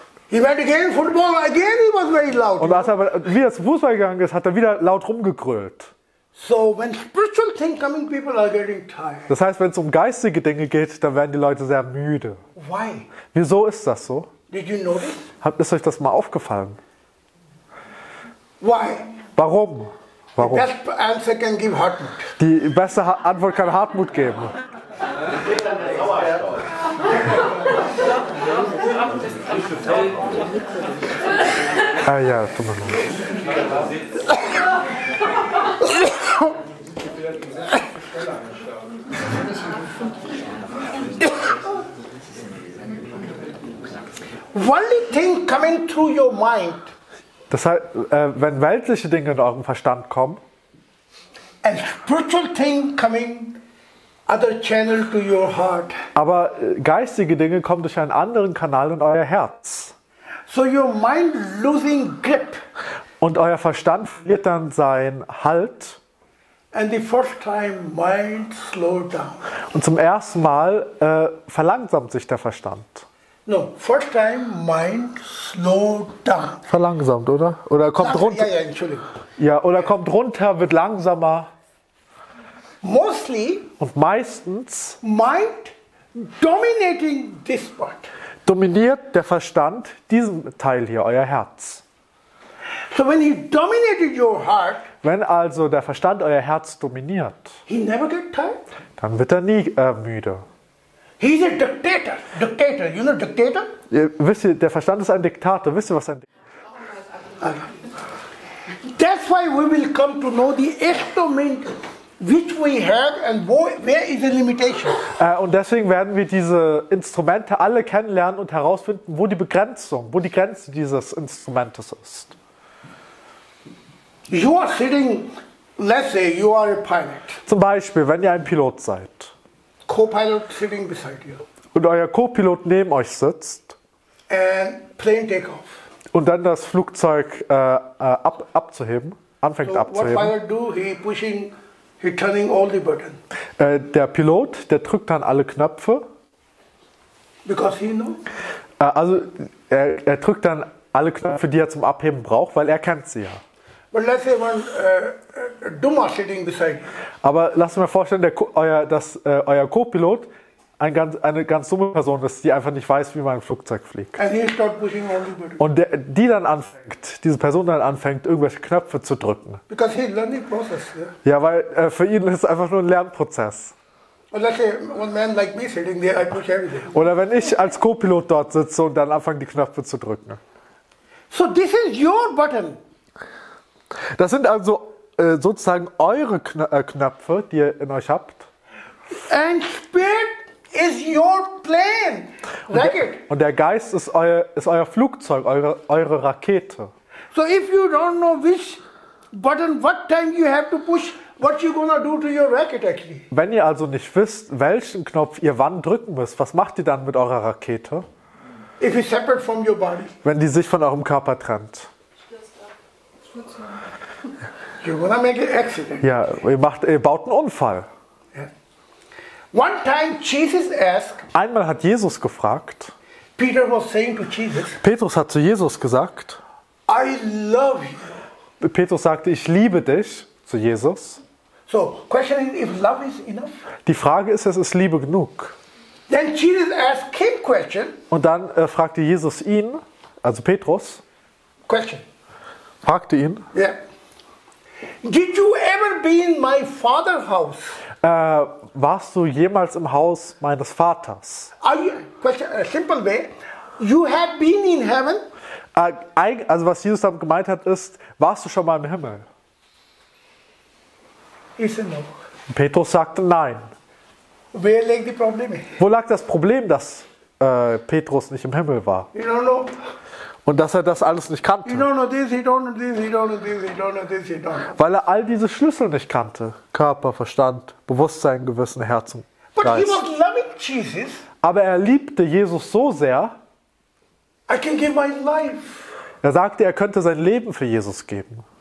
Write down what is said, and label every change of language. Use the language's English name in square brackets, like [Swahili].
[English] He went again, football again, he was very loud. [German] Und als er wieder zum Fußball gegangen ist, hat er wieder laut rumgegrölt. [English] So when spiritual things coming, people are getting tired. [German] Das heißt, wenn es um geistige Dinge geht, dann werden die Leute sehr müde. [English] Why? [German] Wieso ist das so? [English] Did you notice? [German] Ist euch das mal aufgefallen? [English] Why? [German] Warum? Warum? [English] The best answer can give Hartmut. [German] Die beste Antwort kann Hartmut geben. Ah ja, tut mir leid. [English] Worldly thing coming through your mind. [German] Das heißt, wenn weltliche Dinge in euren Verstand kommen. [English] And spiritual thing coming other channel to your heart. [German] Aber geistige Dinge kommen durch einen anderen Kanal in euer Herz. [English] So your mind losing grip. [German] Und euer Verstand verliert dann seinen Halt. [English] And the first time mind slowed down. [German] Und zum ersten Mal verlangsamt sich der Verstand. [English] No, first time mind slowed down. [German] Verlangsamt, oder? Oder kommt runter? Ja, Entschuldigung. Ja, oder kommt runter, wird langsamer. [English] Mostly. [German] Und meistens. [English] Mind dominating this part. [German] Dominiert der Verstand diesen Teil hier, euer Herz. [English] So when he dominated your heart. [German] Wenn also der Verstand euer Herz dominiert, [English] he never get tired. [German] Dann wird er nie müde. [English] He's a dictator. Dictator, you know dictator? [German] Wisst ihr, der Verstand ist ein Diktator. Wisst ihr, was ein [English] That's why we will come to know the estomint, which we have and where is the limitation. [German] Und deswegen werden wir diese Instrumente alle kennenlernen und herausfinden, wo die Begrenzung, wo die Grenze dieses Instrumentes ist. [English] You are sitting, let's say you are a pilot. [German] Zum Beispiel, wenn ihr ein Pilot seid. [English] Co-pilot sitting beside you. [German] Und euer Co-Pilot neben euch sitzt. [English] And plane take off. [German] Und dann das Flugzeug abzuheben, anfängt [English] so [German] abzuheben. [English] What pilot do? He pushing, he turning all the button. [German] Der Pilot, der drückt dann alle Knöpfe. [English] Because he know. [German] Also er drückt dann alle Knöpfe, die er zum Abheben braucht, weil er kennt sie ja. [English] But let's say one Dummer sitting beside. [German] Aber lass mir vorstellen, euer Co-Pilot eine ganz dumme Person ist, die einfach nicht weiß, wie man ein Flugzeug fliegt. [English] And he start pushing all the buttons. [German] Und diese Person dann anfängt, irgendwelche Knöpfe zu drücken. [English] Because he's learning process, yeah? [German] Ja, weil für ihn ist es einfach nur ein Lernprozess. [English] Well, let's say one man like me sitting there, I push everything. [German] Oder wenn ich als Co-Pilot dort sitze und dann anfange, die Knöpfe zu drücken. [English] So this is your button. [German] Das sind also sozusagen eure Knöpfe, die ihr in euch habt. [English] And spirit is your plane. [German] Und der Geist ist euer Flugzeug, eure Rakete. [English] So if you don't know which button, what time you have to push, what you gonna do to your rocket actually? [German] Wenn ihr also nicht wisst, welchen Knopf ihr wann drücken müsst, was macht ihr dann mit eurer Rakete? [English] If it's separate from your body. [German] Wenn die sich von eurem Körper trennt. [English] You're gonna make an accident. [German] Ja, ihr baut einen Unfall. [English] Yeah. One time Jesus asked. [German] Einmal hat Jesus gefragt. [English] Peter was saying to Jesus. [German] Petrus hat zu Jesus gesagt. [English] I love you. [German] Petrus sagte, ich liebe dich, zu Jesus. [English] So, question is, if love is enough? [German] Die Frage ist, es ist Liebe genug. [English] Then Jesus asked him question. [German] Und dann fragte Jesus ihn, also Petrus. [English] Question. [German] Fragte ihn. [English] Yeah. Did you ever be in my father's house? [German] Warst du jemals im Haus meines Vaters? [English] Simple way. You have been in heaven? [German] Also was Jesus damit gemeint hat ist, warst du schon mal im Himmel? [English] He said no. [German] Petrus sagte nein. [English] Where lag the problem? [German] Wo lag das Problem, dass Petrus nicht im Himmel war? [English] You don't know. [German] Und dass er das alles nicht kannte. [English] He don't know this, he don't know this, he don't know this, he don't know this, he don't know. [German] Weil er all diese Schlüssel nicht kannte. Körper, Verstand, Bewusstsein, Gewissen, Herz und Geist. [English] But he was loving Jesus. [German] Aber er liebte Jesus so sehr. [English] I can give my life. [German] Er sagte, er könnte sein Leben für Jesus geben.